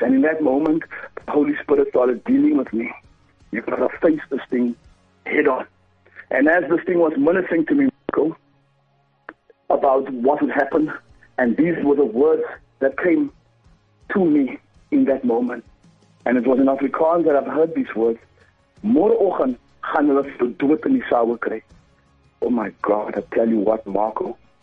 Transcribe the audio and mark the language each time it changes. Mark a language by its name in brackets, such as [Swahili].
[English] And in that moment, the Holy Spirit started dealing with me. You've got to face this thing head on. And as this thing was ministering to me, Michael, about what had happened, and these were the words that came to me in that moment. And it was in Afrikaans that I've heard these words. [Afrikaans] Môreoggend gaan hulle vir dood in die saal kry. [English] Oh my God, I tell you what, Marco.